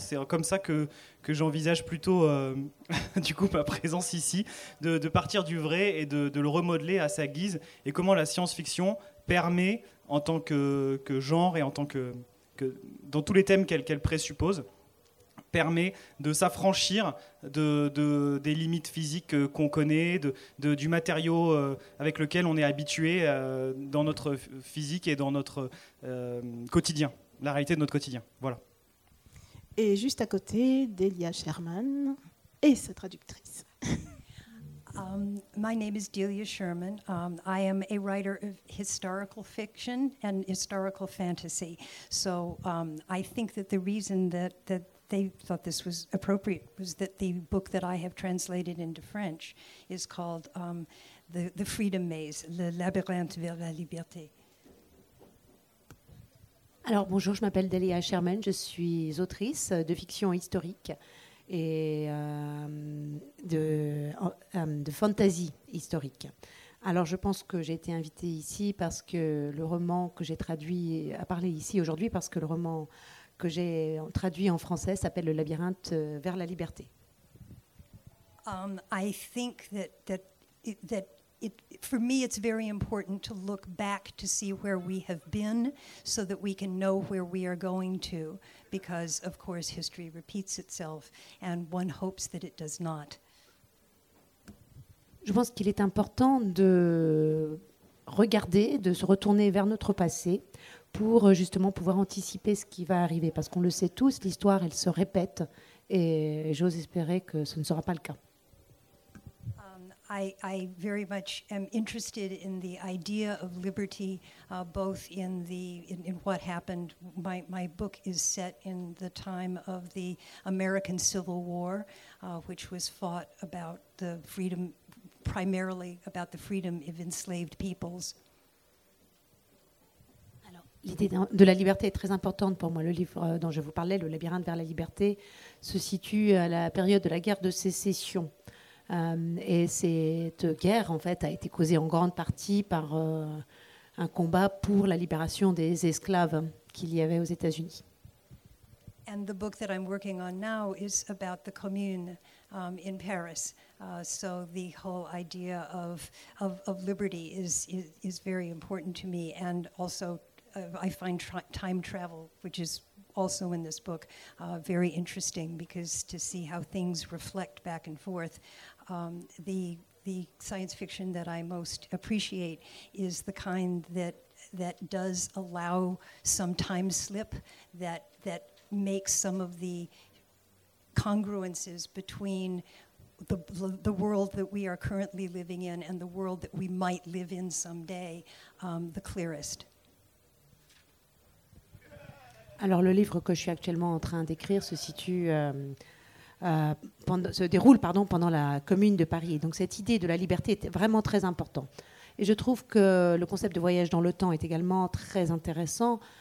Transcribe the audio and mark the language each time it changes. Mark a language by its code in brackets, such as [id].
[fr] C'est comme ça que j'envisage plutôt du coup ma présence ici, de partir du vrai et de le remodeler à sa guise, et comment la science-fiction permet en tant que genre et en tant que dans tous les thèmes qu'elle présuppose, permet de s'affranchir des limites physiques qu'on connaît, du matériau avec lequel on est habitué dans notre physique et dans notre quotidien, la réalité de notre quotidien. Voilà. Et juste à côté, Delia Sherman et sa traductrice. [en] My name is Delia Sherman. I am a writer of historical fiction and historical fantasy. So I think that the reason that they thought this was appropriate was that the book that I have translated into French is called The Freedom Maze, Le Labyrinthe vers la Liberté. [fr] Alors bonjour, je m'appelle Delia Sherman, je suis autrice de fiction historique et de fantasy historique. Alors je pense que j'ai été invitée ici parce que le roman que j'ai traduit a parlé ici aujourd'hui, parce que le roman que j'ai traduit en français s'appelle Le Labyrinthe vers la Liberté. [en] I think that for me it's very important to look back to see where we have been so that we can know where we are going to, because of course history repeats itself and one hopes that it does not. [fr] Je pense qu'il est important de regarder, de se retourner vers notre passé pour justement pouvoir anticiper ce qui va arriver. Parce qu'on le sait tous, l'histoire, elle se répète. Et j'ose espérer que ce ne sera pas le cas. [en] I very much am interested in the idea of liberty, both in what happened. My book is set in the time of the American Civil War, which was fought about the freedom, primarily about the freedom of enslaved peoples. [fr] L'idée de la liberté est très importante pour moi. Le livre dont je vous parlais, Le Labyrinthe vers la Liberté, se situe à la période de la guerre de sécession. Et cette guerre, en fait, a été causée en grande partie par un combat pour la libération des esclaves qu'il y avait aux États-Unis. [en] And the book that I'm working on now is about the commune in Paris. So the whole idea of liberty is very important to me, and also I find time travel, which is also in this book, very interesting, because to see how things reflect back and forth. The science fiction that I most appreciate is the kind that does allow some time slip, that makes some of the congruences between the world that we are currently living in and the world that we might live in someday the clearest. [fr] Alors le livre que je suis actuellement en train d'écrire se déroule pendant la Commune de Paris. Donc cette idée de la liberté est vraiment très importante. Et je trouve que le concept de voyage dans le temps est également très intéressant.